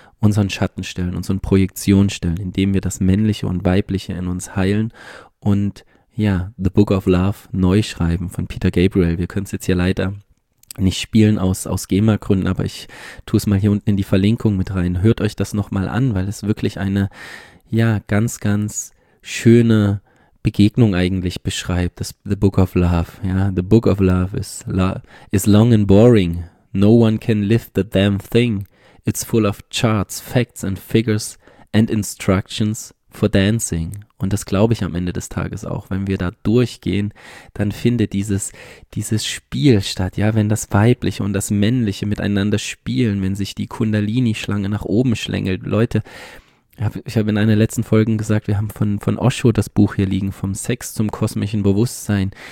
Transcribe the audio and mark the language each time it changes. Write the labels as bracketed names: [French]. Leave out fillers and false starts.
[German] unseren Schatten stellen, unseren Projektionen stellen, indem wir das Männliche und Weibliche in uns heilen und ja, The Book of Love neu schreiben von Peter Gabriel. Wir können es jetzt hier leider nicht spielen aus GEMA-Gründen, aber ich tue es mal hier unten in die Verlinkung mit rein. Hört euch das nochmal an, weil es wirklich eine, ja, ganz, ganz schöne Begegnung eigentlich beschreibt, das The Book of Love. [English] Ja, The Book of Love is long and boring. No one can lift the damn thing. It's full of charts, facts and figures and instructions for dancing. [German] Und das glaube ich am Ende des Tages auch. Wenn wir da durchgehen, dann findet dieses Spiel statt. Ja, wenn das Weibliche und das Männliche miteinander spielen, wenn sich die Kundalini-Schlange nach oben schlängelt. Leute, ich hab in einer letzten Folge gesagt, wir haben von Osho das Buch hier liegen, vom Sex zum kosmischen Bewusstsein.